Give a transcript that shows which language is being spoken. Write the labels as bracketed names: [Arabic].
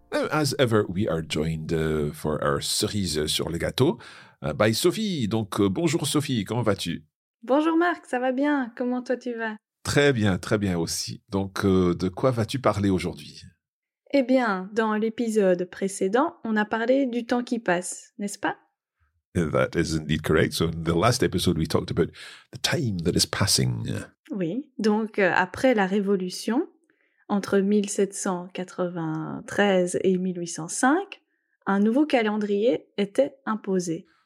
[English] As ever, we are joined for our [French] cerise sur le gâteau [English] by Sophie. [French] Donc, bonjour Sophie, comment vas-tu? Bonjour Marc, ça va bien. Comment toi tu vas? Très bien aussi. Donc, de quoi vas-tu parler aujourd'hui? Eh bien, dans l'épisode précédent, on a parlé du temps qui passe, n'est-ce pas? [English] That is indeed correct. So, in the last episode, we talked about the time that is passing. [French] Oui, donc après la Révolution, entre 1793 et 1805, un nouveau calendrier était imposé.